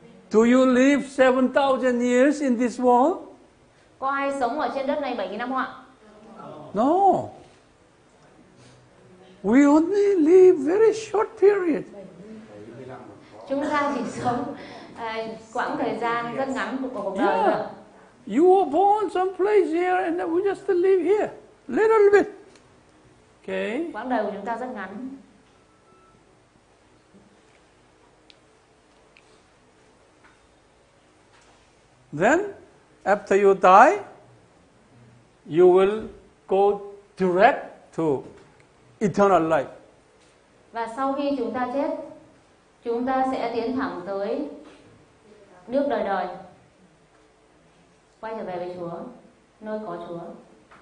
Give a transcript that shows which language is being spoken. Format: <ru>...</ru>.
<en>Do you live 7,000 years in this world?</en> <vi>Có ai sống ở trên đất này 7,000 năm không ạ?</vi> <en>No. We only live very short period.</en> <vi>Chúng ta chỉ sống quãng thời gian rất ngắn của cuộc đời.</vi> <en>Yeah. You were born someplace here and we just live here. Little bit. Okay.</en> <vi>Quãng đời của chúng ta rất ngắn.</vi> <en>Then, after you die, you will go direct to eternal life.</en> <vi>Và sau khi chúng ta chết, chúng ta sẽ tiến thẳng tới nước đời đời. Quay trở về với Chúa, nơi có Chúa.</vi>